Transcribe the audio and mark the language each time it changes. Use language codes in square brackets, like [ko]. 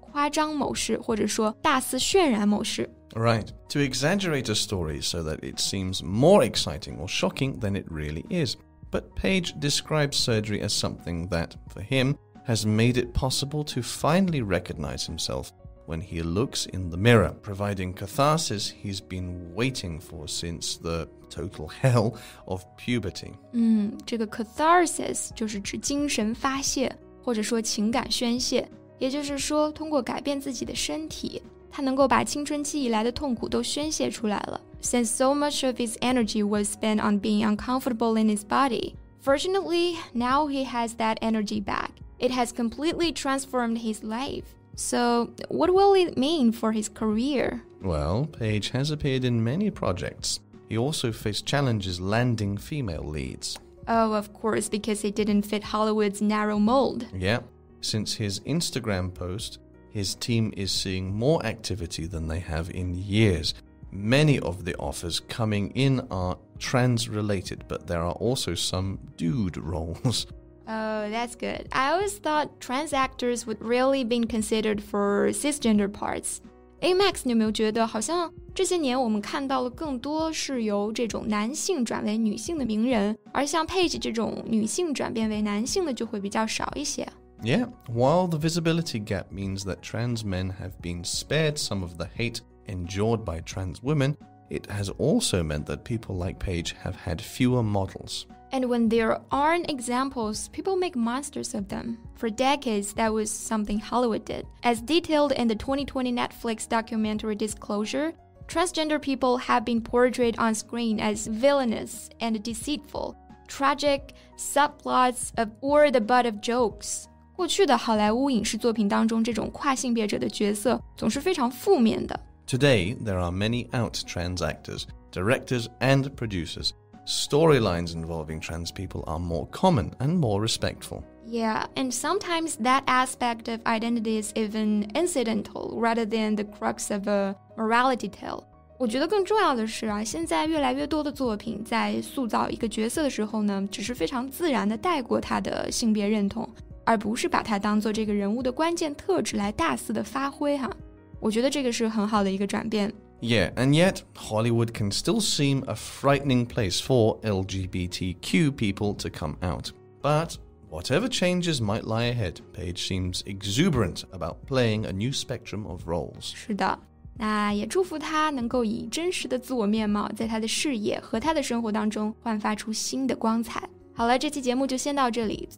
[zh] 夸张某事或者说大肆渲染某事。 [en] Right, to exaggerate a story so that it seems more exciting or shocking than it really is. But Page describes surgery as something that, for him, has made it possible to finally recognize himself when he looks in the mirror, providing catharsis he's been waiting for since the total hell of puberty. [zh] 这个 catharsis 就是指精神发泄或者说情感宣泄，也就是说通过改变自己的身体，他能够把青春期以来的痛苦都宣泄出来了。 [en] Since so much of his energy was spent on being uncomfortable in his body, fortunately, now he has that energy back. It has completely transformed his life. So, what will it mean for his career? Well, Page has appeared in many projects. He also faced challenges landing female leads. Oh, of course, because he didn't fit Hollywood's narrow mold. Yeah, since his Instagram post,His team is seeing more activity than they have in years. Many of the offers coming in are trans-related, but there are also some dude roles. Oh, that's good. I always thought trans actors would really be considered for cisgender parts. [zh] Max, 你有没有觉得好像这些年我们看到了更多是由这种男性转为女性的名人，而像 Page 这种女性转变为男性的就会比较少一些。 [en] Yeah, while the visibility gap means that trans men have been spared some of the hate endured by trans women, it has also meant that people like Paige have had fewer models. And when there aren't examples, people make monsters of them. For decades, that was something Hollywood did. As detailed in the 2020 Netflix documentary Disclosure, transgender people have been portrayed on screen as villainous and deceitful, tragic subplots of or the butt of jokes. [zh] 过去的好莱坞影视作品当中这种跨性别者的角色总是非常负面的。 [en] Today, there are many out trans actors, directors and producers. Storylines involving trans people are more common and more respectful. Yeah, and sometimes that aspect of identity is even incidental rather than the crux of a morality tale. [zh] 我觉得更重要的是啊，现在越来越多的作品在塑造一个角色的时候呢，只是非常自然地带过他的性别认同。而不是把它当作这个人物的关键特质来大肆的发挥哈，我觉得这个是很好的一个转变。 [en] Yeah, and yet, Hollywood can still seem a frightening place for LGBTQ people to come out. But whatever changes might lie ahead, Paige seems exuberant about playing a new spectrum of roles. [zh] 是的，那也祝福他能够以真实的自我面貌在他的事业和他的生活当中焕发出新的光彩。好了，这期节目就先到这里。